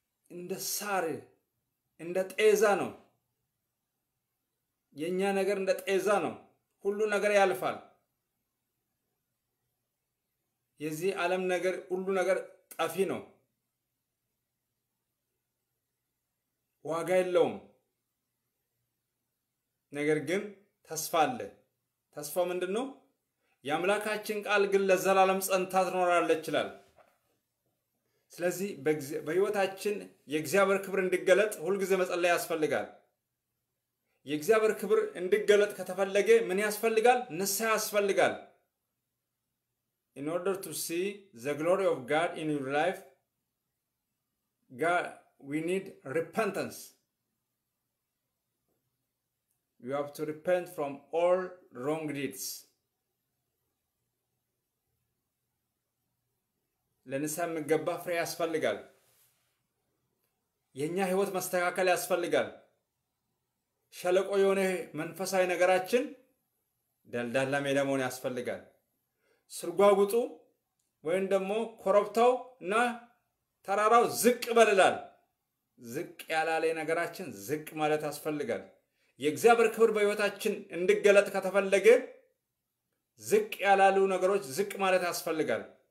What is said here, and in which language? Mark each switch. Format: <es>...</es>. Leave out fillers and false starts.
<am>እንደ ሳር እንደ ጤዛ ነው። የኛ ነገር እንደ ጤዛ ነው። ሁሉ ነገር ያልፋል። የዚህ ዓለም ነገር ሁሉ ነገር ጠፊ ነው። ዋጋ የለውም። ነገር ግን ተስፋ አለ። ተስፋ ምንድነው? የአምላካችን ቃል ግን ለዘላለም ጸንታ ትኖራለች ይላል። ስለዚህ በሕይወታችን የእግዚአብሔር ክብር እንዲገለጥ ሁልጊዜ መጸለይ ያስፈልጋል። የእግዚአብሔር ክብር እንዲገለጥ ከተፈለገ ምን ያስፈልጋል? ንስሐ ያስፈልጋል።</am> <en>In order to see the glory of God in your life, we need repentance. You have to repent from all wrong deeds.</en> <am>ለንስሐ የሚገባ ፍሬ ያስፈልጋል። የኛ ህይወት መስተካከል ያስፈልጋል። ሸለቆ የሆነ መንፈሳዊ ነገራችን ደልዳላ ሜዳ መሆን ያስፈልጋል። ስርጓጉጡ ወይም ደግሞ ኮረብታው እና ተራራው ዝቅ በልላል። ዝቅ ያላለ ነገራችን ዝቅ ማለት ያስፈልጋል። የእግዚአብሔር ክብር በህይወታችን እንዲገለጥ ከተፈለገ ዝቅ ያላሉ ነገሮች ዝቅ ማለት ያስፈልጋል።</am>